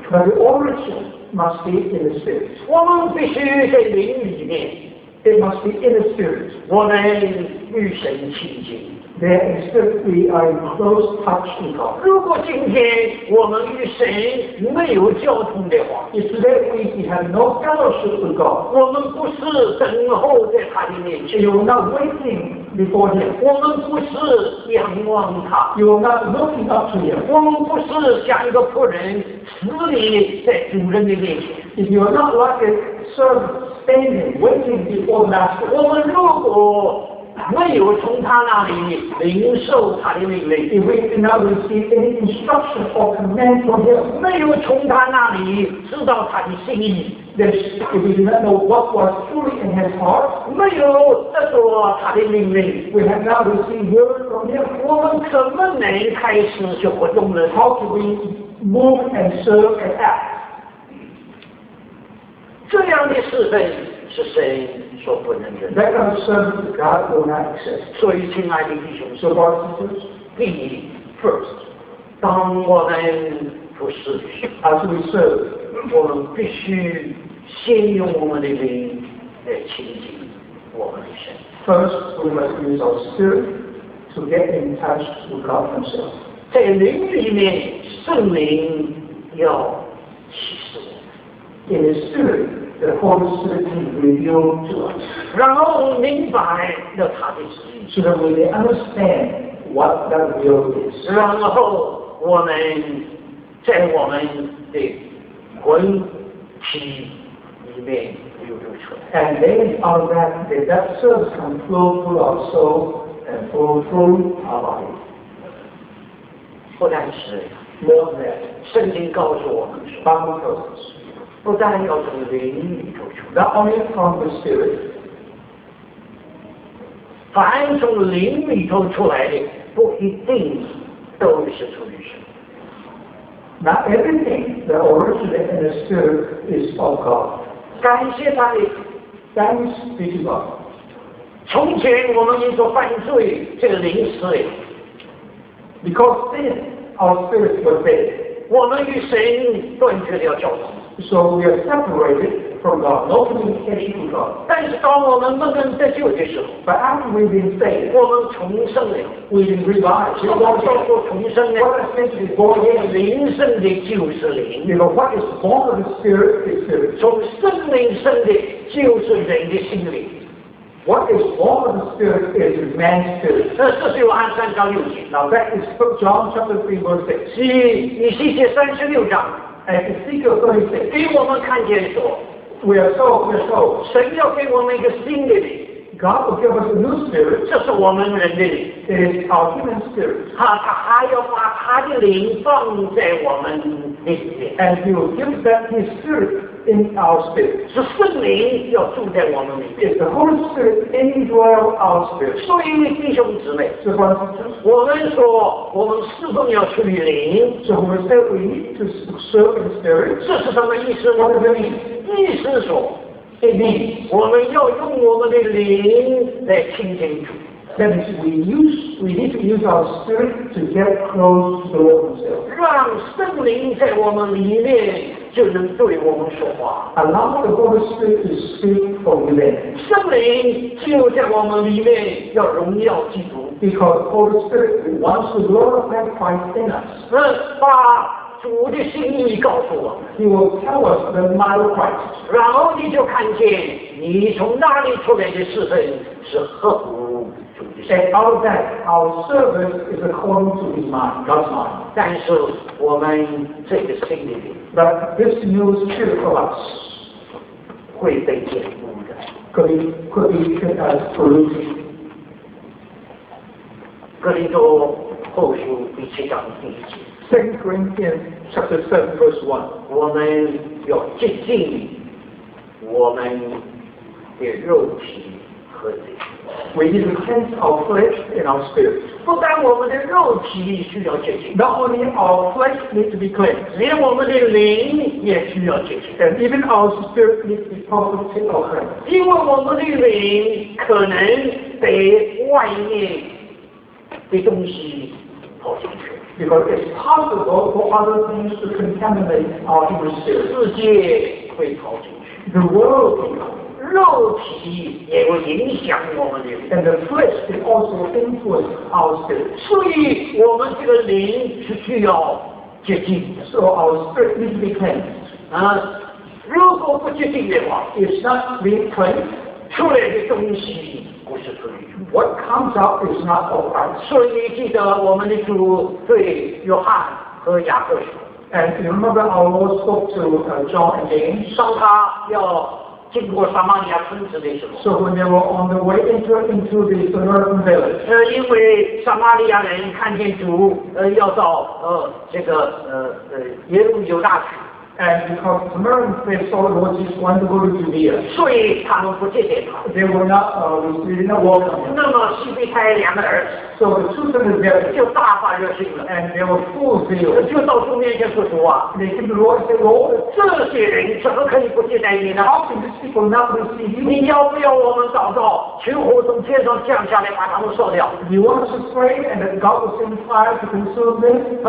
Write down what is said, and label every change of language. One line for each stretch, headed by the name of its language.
English: But the origin must be in the spirit.
Chinese: 我们必须在灵里面。
English: It must be in the spirit.
Chinese: 我们与神亲近。
English: There is simply a close touch with God.
Chinese: 如果今天我们与神没有交通的话
English: ，If today we have no fellowship with God,
Chinese: 我们不是等候在他的面前
English: ，You are not waiting before Him.
Chinese: 我们不是仰望他
English: ，You are not looking up to Him.
Chinese: 我们不是像一个仆人死里在主人的面前
English: ，If you are not like a servant standing waiting before Master,
Chinese: 我们如果没有从他那里领受他的命令
English: ，If we did not receive any instruction or command from him，
Chinese: 没有从他那里知道他的心意
English: ，Then if we did not know what was truly in his heart，
Chinese: 没有得到他的命令
English: ，We have not received word from him，
Chinese: 我们怎么能开始就活动呢
English: ？How can we move and serve and act？
Chinese: 这样的事情是谁？
English: That kind of service to God will not exist.
Chinese: 所以亲爱的弟兄
English: So far as this, be first.
Chinese: 当我们服侍
English: As we serve,
Chinese: 我们必须先用我们的灵来亲近我们的神
English: First, we must use our spirit to get in touch with God Himself.
Chinese: 在灵里面，圣灵要启示。
English: In the spirit, the Holy Spirit can reveal to us.
Chinese: 然后明白了他的旨意。
English: So that we may understand what that will is.
Chinese: 然后我们在我们的魂体里面流露出来。
English: And based on that, that service can flow through our soul and flow through our body.
Chinese: 不但是我们圣经告诉我们说
English: Bible tells us,
Chinese: 不但要从灵里头出
English: 来 Not only from the spirit
Chinese: 凡从灵里头出来的不一定都是出于神
English: Not everything that originates in the spirit is of God
Chinese: 感谢他的
English: Thanks be to God
Chinese: 从前我们因着犯罪这个灵死了
English: Because then, our spirits were dead.
Chinese: 我们与神断绝了交通。
English: So we are separated from God, no communication with God.
Chinese: 但是当我们慢慢得救的时候
English: But after we've been saved,
Chinese: 我们重生了。
English: We've been revived.
Chinese: 什么叫做重生呢
English: What is meant to be born again?
Chinese: 灵生的就是灵。
English: You know, what is born of the spirit is spirit.
Chinese: 从圣灵生的就是人的心灵。
English: What is born of the Spirit is man's spirit.
Chinese: 这是约翰三章六节。
English: Now that is from John chapter 3 verse 6.
Chinese: 是以西结三十六章。
English: And Ezekiel 36.
Chinese: 给我们看见说。
English: We are told, we are told.
Chinese: 神要给我们一个新的灵。
English: God will give us a new spirit.
Chinese: 这是我们人的灵。
English: It is our human spirit.
Chinese: 他还要把他的灵放在我们里面。
English: And he will give that his spirit. In our spirit.
Chinese: 是圣灵要住在我们里面。
English: It's the Holy Spirit indwell our spirit.
Chinese: 所以弟兄姊妹。
English: So, brothers,
Chinese: 我们说我们侍奉要出于灵。
English: So we say we need to serve the spirit.
Chinese: 这是什么意思呢
English: What does it mean?
Chinese: 意思说
English: It means
Chinese: 我们要用我们的灵来亲近主。
English: That means we need to use our spirit to get close to the Lord himself.
Chinese: 让圣灵在我们里面就能对我们说话。
English: Allow the Holy Spirit to speak for men.
Chinese: 圣灵就在我们里面要荣耀基督。
English: Because the Holy Spirit wants to glorify Christ in us.
Chinese: 把主的心意告诉我们。
English: He will tell us the mind of Christ.
Chinese: 然后你就看见你从哪里出来的事情是合乎。
English: And out of that, our service is according to His mind, God's mind.
Chinese: 但是我们这个心里面
English: But this new spirit of us
Chinese: 会被玷污的
English: could be as polluted.
Chinese: 哥林多后书第七章第一节
English: 2 Corinthians chapter 7 verse 1
Chinese: 我们要洁净我们的肉体和灵
English: We need to cleanse our flesh and our spirit.
Chinese: 不但我们的肉体需要洁净
English: Not only our flesh needs to be cleansed.
Chinese: 连我们的灵也需要洁净
English: And even our spirit needs to be purified or cleansed.
Chinese: 因为我们的灵可能被外面的东西跑进去
English: Because it's possible for other things to contaminate our human spirit.
Chinese: 世界会跑进去
English: The world will come.
Chinese: 肉体也会影响我们的灵
English: And the flesh can also influence our spirit.
Chinese: 所以我们这个灵是需要洁净的
English: So our spirit needs to be cleansed.
Chinese: 如果不洁净的话
English: It's not being cleansed.
Chinese: 出来的东西不是出于
English: What comes out is not of God.
Chinese: 所以记得我们的主对约翰和雅各说
English: And you remember our Lord spoke to John and James?
Chinese: 上他要经过撒玛利亚村子的时候
English: So when they were on the way into the Samaritan village
Chinese: 因为撒玛利亚人看见主要到耶路撒冷去
English: And because the Samaritans they saw the Lord Jesus wanted to go to Judea
Chinese: 所以他们不接待他
English: They were not, they did not welcome
Chinese: him 那么西庇太两个儿子
English: So the two sons of Zebedee
Chinese: 就大发热心了
English: And they were full of zeal
Chinese: 就到主面前说主啊
English: They came to the Lord and said, Lord
Chinese: 这些人怎么可以不接待你呢
English: How can these people not receive you?
Chinese: 你要不要我们祷告群火从天上降下来把他们烧掉
English: You want us to pray and that God will send fire to consume them?